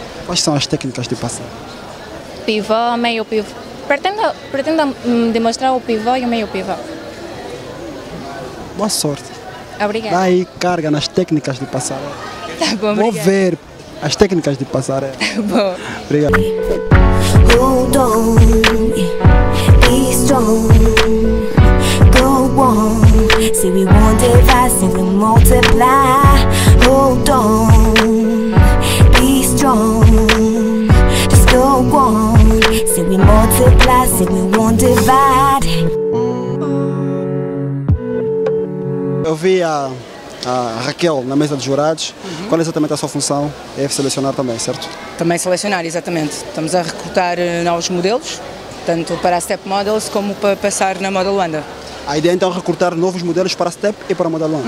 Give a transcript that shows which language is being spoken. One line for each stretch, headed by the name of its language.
Portuguese: Quais são as técnicas de passar? Pivô, meio pivô. Pretendo demonstrar o pivô e o meio pivô. Boa sorte. Obrigada. Dá aí carga nas técnicas de passar. Tá bom, obrigada. Vou ver as técnicas de passar. Tá bom. Obrigado.
English: Hold on, be strong, go on, see we won't divide, simply multiply. Hold on, be strong, just go on, see we multiply, simply won't divide.
Portuguese: Eu vi a Raquel na mesa dos jurados. Uhum. Qual é exatamente a sua função? É selecionar também, certo? Também selecionar, exatamente. Estamos a recrutar novos modelos, tanto para a STEP Models como para passar na Moda Luanda. A ideia então é recrutar novos modelos para a STEP e para a Moda Luanda?